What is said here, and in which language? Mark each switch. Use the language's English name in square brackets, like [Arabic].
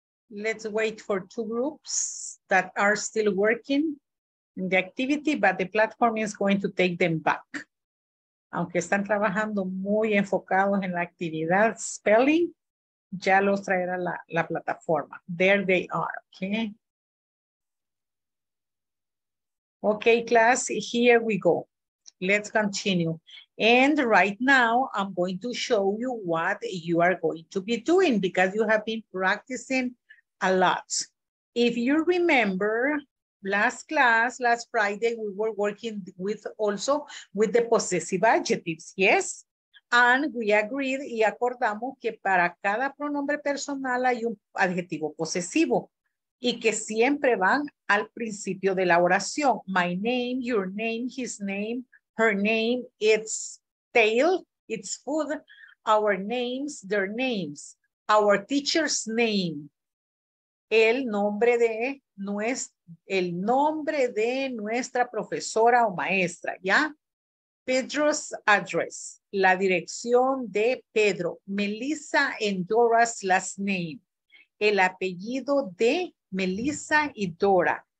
[English] Let's wait for two groups that are still working in the activity, but the platform is going to take them back. [Spanish] Aunque están trabajando muy enfocados en la actividad spelling, ya los traerá la plataforma. [English] There they are, okay? Okay, class, here we go. Let's continue. And right now, I'm going to show you what you are going to be doing because you have been practicing a lot. If you remember last class, last Friday, we were working with also with the possessive adjectives, yes? And we agreed [Spanish] y acordamos que para cada pronombre personal hay un adjetivo posesivo y que siempre van al principio de la oración. [English] My name, your name, his name, her name, its tail, its food, our names, their names, our teacher's name. [Spanish] El nombre de nuestra profesora o maestra, ¿ya? [English] Pedro's address, [Spanish] la dirección de Pedro. [English] Melissa and Dora's last name, [Spanish] el apellido de Melissa y Dora.